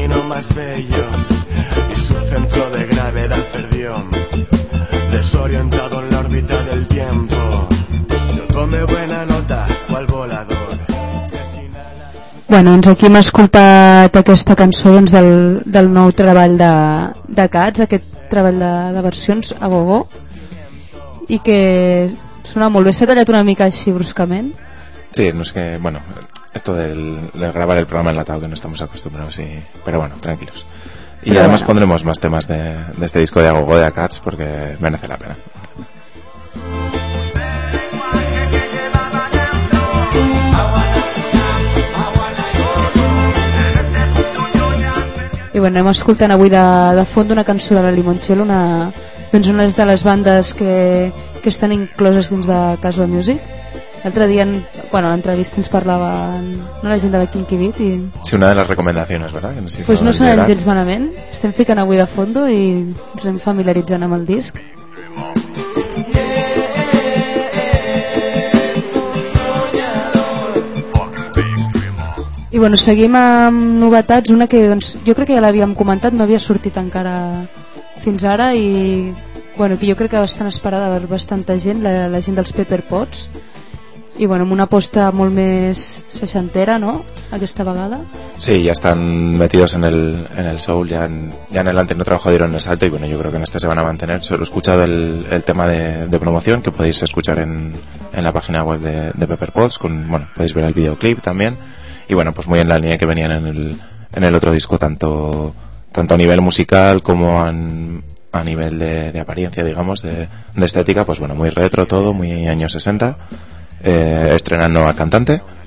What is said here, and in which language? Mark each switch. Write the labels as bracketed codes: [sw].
[es] más bello y su centro de gravedad perdió. Desorientado en la órbita del tiempo, no tome buena nota, cual volador. [ca] Bueno, doncs aquí hem escoltat aquesta cançó, doncs, del nou treball de Cats, aquest treball de versions a gogó, i que sona molt bé. S'ha tallat una mica així bruscament. Sí, no és que, [es] bueno, esto del grabar el programa en la tau, que no estamos acostumbrados, y, pero bueno, tranquilos. Y pero además bueno, pondremos más temas de este disco de a gogó de Cats, porque merece la pena. [ca] I bueno, hem escoltat avui de fons una cançó de la Limoncello, doncs una de les bandes que estan incloses dins de Casual Music. L'altre dia, bueno, a l'entrevista ens parlava, no, la gent de la Kinky Beat i... Sí, una de les recomanacions, ¿verdad? Que no sé, pues no sonen gens malament, estem ficant avui de fondo i ens hem familiaritzant amb el disc. I bueno, seguim amb novetats, una que doncs, jo crec que ja l'havíem comentat, no havia sortit encara fins ara i bueno, que jo crec que bastant esperada per bastanta gent, la gent dels Pepper Potts, i bueno, amb una aposta molt més seixantera, no?, aquesta vegada. Sí, ja estan [es] metidos en el soul, ja en el anterior trabajo dieron el salto, i bueno, yo creo que en este se van a mantener. Solo he escuchado el tema de promoción, que podéis escuchar en la página web de Pepper Potts, con, bueno, podéis ver el videoclip también. Y bueno, pues muy en la línea que venían en el otro disco, tanto a nivel musical como a nivel de apariencia, digamos, de estética, pues bueno, muy retro todo, muy años 60, estrenando a cantante.